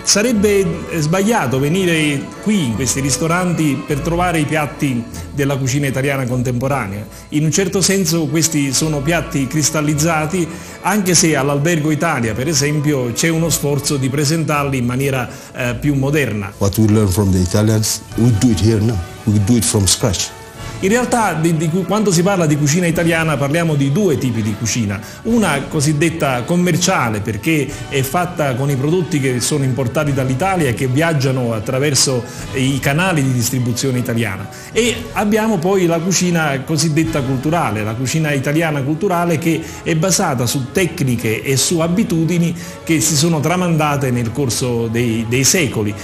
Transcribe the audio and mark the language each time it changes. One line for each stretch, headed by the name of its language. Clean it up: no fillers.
Italian: Sarebbe sbagliato venire qui in questi ristoranti per trovare i piatti della cucina italiana contemporanea. In un certo senso questi sono piatti cristallizzati, anche se all'Albergo Italia, per esempio, c'è uno sforzo di presentarli in maniera più moderna.
English: What we learn from the Italians, we do it here now. We do it from scratch.
Italian: In realtà quando si parla di cucina italiana parliamo di due tipi di cucina, una cosiddetta commerciale perché è fatta con i prodotti che sono importati dall'Italia e che viaggiano attraverso i canali di distribuzione italiana, e abbiamo poi la cucina cosiddetta culturale, la cucina italiana culturale che è basata su tecniche e su abitudini che si sono tramandate nel corso dei secoli.